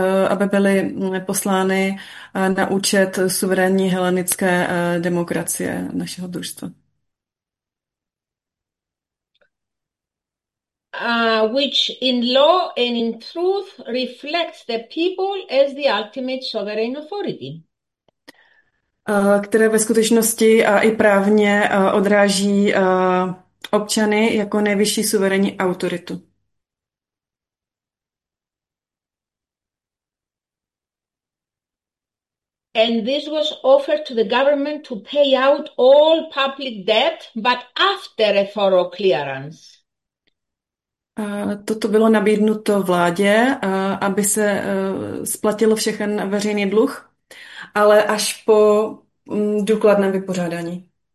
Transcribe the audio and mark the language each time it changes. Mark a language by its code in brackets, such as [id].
[cs] Aby byly poslány na účet suverénní helenické demokracie našeho družstva. [en] Which in law and in truth reflects the people as the ultimate sovereign authority. [cs] Které ve skutečnosti a i právně odráží občany jako nejvyšší suverénní autoritu. [en] And this was offered to the government to pay out all public debt, but after a thorough clearance. [cs] Toto bylo nabídnuto vládě, aby se splatilo všechen veřejný dluh, ale až po důkladném vypořádání.